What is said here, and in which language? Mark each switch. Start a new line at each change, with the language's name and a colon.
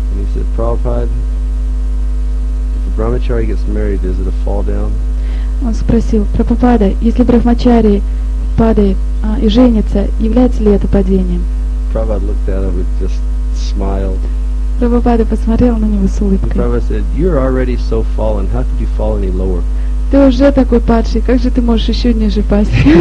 English: And he said, Prabhupada, if a brahmachari gets married, is it a fall down?
Russian: Он спросил, Прабхупада, если брахмачари падает и женится, является ли это падением?
English: Prabhupada looked at him and just smiled.
Russian: Прабхупада посмотрел на него с улыбкой.
English: Prabhupada said, you're already so fallen, how could you fall any lower?
Russian: Ты уже такой падший, как же ты можешь еще ниже пасть?